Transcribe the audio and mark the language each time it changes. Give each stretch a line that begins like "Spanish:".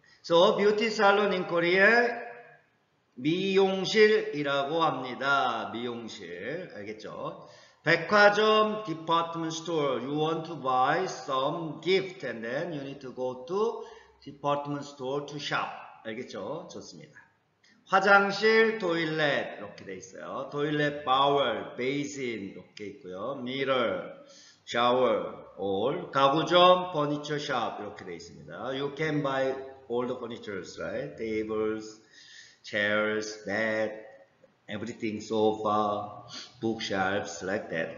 English: So beauty salon in Korea
Korean: 미용실이라고 합니다. 미용실, 알겠죠? 백화점 department store.
English: You want to buy some gift and then you need to go to department store to shop.
Korean: 알겠죠? 좋습니다. 화장실, 토일렛 이렇게 돼 있어요. 토일렛, 바울, 베이신 이렇게 있고요. 미러, 샤워, 올. 가구점, 퍼니처 샵 이렇게 돼 있습니다.
English: You can buy all the furnitures, right? Tables, chairs, bed, everything, sofa, bookshelves like that.